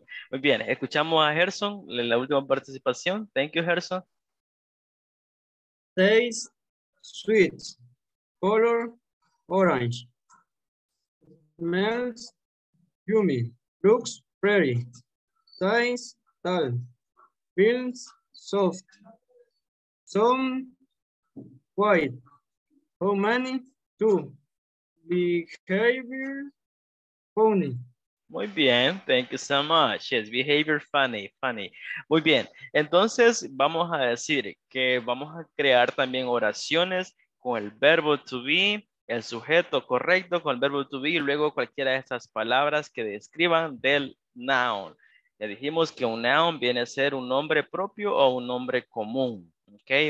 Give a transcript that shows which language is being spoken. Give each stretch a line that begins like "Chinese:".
Spanish: Muy bien, escuchamos a Gerson en la última participación.
English: Thank you, Gerson. Taste sweet, color orange, smells yummy, looks pretty, size tall, feels soft. Some quiet. How many? Two. Behavior funny.
Spanish: Muy bien,
English: thank you so much. Yes, behavior funny, funny.
Spanish: Muy bien, entonces vamos a decir que vamos a crear también oraciones con el verbo to be, el sujeto correcto con el verbo to be, y luego cualquiera de estas palabras que describan del noun. Ya dijimos que un noun viene a ser un nombre propio o un nombre común, ¿ok?